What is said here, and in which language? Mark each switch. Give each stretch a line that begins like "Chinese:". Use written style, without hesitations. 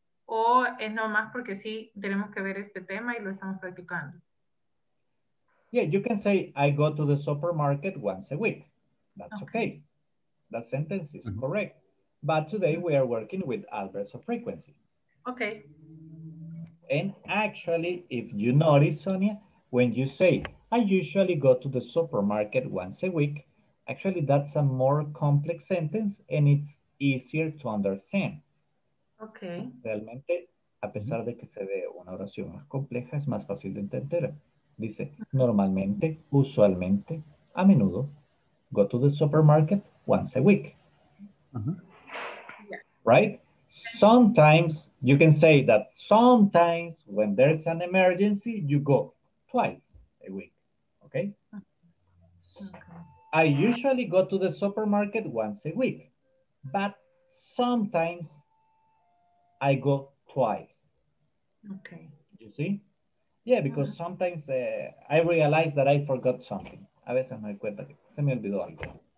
Spanish: O es nomás porque sí tenemos que ver este tema y lo estamos practicando.
English: Yeah, you can say I go to the supermarket once a week. That's okay. That sentence is correct. But today we are working with adverbs of frequency. Okay. And actually, if you notice, Sonia, when you say, I usually go to the supermarket once a week, actually that's a more complex sentence and it's easier to understand. Okay.
Spanish: Realmente, a pesar de que se ve una oración más compleja, es más fácil de entender. Dice, normalmente, usualmente, a menudo,
English: go to the supermarket once a week. Yeah. Right? Sometimes, you can say that sometimes when there's an emergency, you go twice a week, okay? Okay? I usually go to the supermarket once a week, but sometimes I go twice. Okay. You see? Yeah, because sometimes I realize that I forgot something.
Spanish: A veces me doy cuenta que se me olvidó algo.